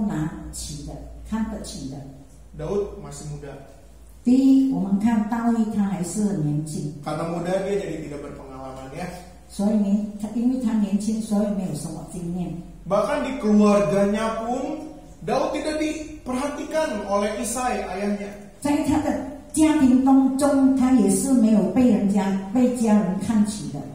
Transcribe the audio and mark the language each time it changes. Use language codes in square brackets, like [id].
[zh] 我们看到大卫的外表是没有什么好看能够拿起的看得起的。 [id] Daud masih muda. [zh] 第一，我们看大卫他还是年轻。 [id] Karena muda dia jadi tidak berpengalaman ya. [zh] 所以因为他年轻，所以没有什么经验。 [id] Bahkan di keluarganya pun Daud tidak diperhatikan oleh Isai ayahnya. [zh] 在他的家庭当中，他也是没有被人家被家人看起的。